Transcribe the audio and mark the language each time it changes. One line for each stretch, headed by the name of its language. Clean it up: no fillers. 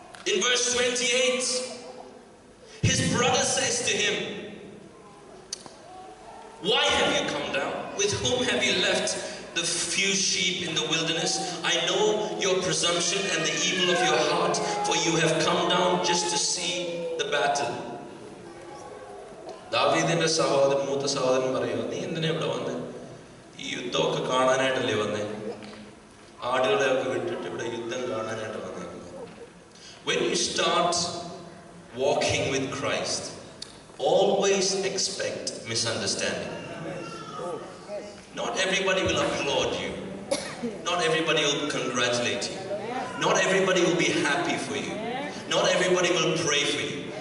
English: In verse 28, his brother says to him, why have you come down? With whom have you left the few sheep in the wilderness? I know your presumption and the evil of your heart, for you have come down just to see the battle.
Malayalam: ദാവീദിന്റെ സഹോദരൻ മൂത്ത സഹോദരൻ പറയുന്നു, നീ എന്തിനാ ഇവിടെ വന്നത്? ഈ യുദ്ധമൊക്കെ കാണാനായിട്ടല്ലേ വന്നേ? ആടുകളെ ഒക്കെ വിട്ടിട്ട് ഇവിടെ യുദ്ധം കാണാനായിട്ട് വന്നേക്കുന്നു.
English: When you start walking with Christ, always expect misunderstanding. Not everybody will applaud you. Not everybody will congratulate you. Not everybody will be happy for you. Not everybody will pray for you.